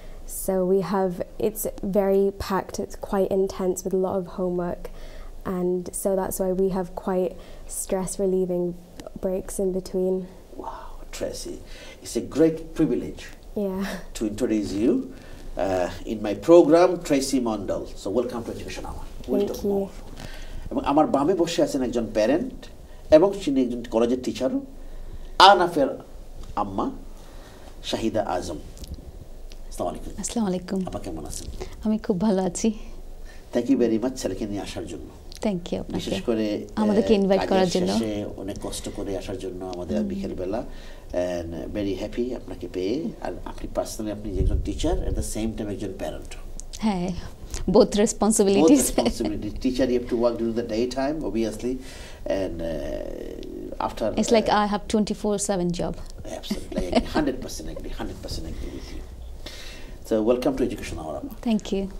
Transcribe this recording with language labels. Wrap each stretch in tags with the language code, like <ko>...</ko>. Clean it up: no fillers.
<en>So we have, it's very packed. It's quite intense with a lot of homework. And so that's why we have quite stress relieving breaks in between. Wow, Tracy. It's a great privilege to introduce you in my program, Tracy Mundell. So welcome to Education Hour. Thank you.</en> <bn>এবং আমার বামে বসে আছেন একজন parent এবং তিনি একজন কলেজের টিচারও, আহনাফের আম্মা শাহিদা আজম। আসসালামু আলাইকুম। আপা কেমন আছেন? আমি খুব ভালো আছি।</bn> <en>thank you very much</en> <bn>ছেলেকে নিয়ে আসার জন্য।</bn> <en>thank you</en> <bn>আপনাকে, বিশেষ করে আমাদেরকে ইনভাইট করার জন্য। সে অনেক কষ্ট করে আসার জন্য আমাদের বিকেল বেলা,</bn> <en>and very happy</en> <bn>আপনাকে পেয়ে। আর আপনি পার্সোনালি, আপনি একজন teacher</bn> <en>at the same time</en> <bn>একজন প্যারেন্ট।</bn> <en>হ্যাঁ, both responsibilities. Teacher, you have to work during the daytime obviously, and after it's like I have 24/7 job. Absolutely. 100% agree, 100% agree with you. So welcome to Education Hour. Thank you.</en>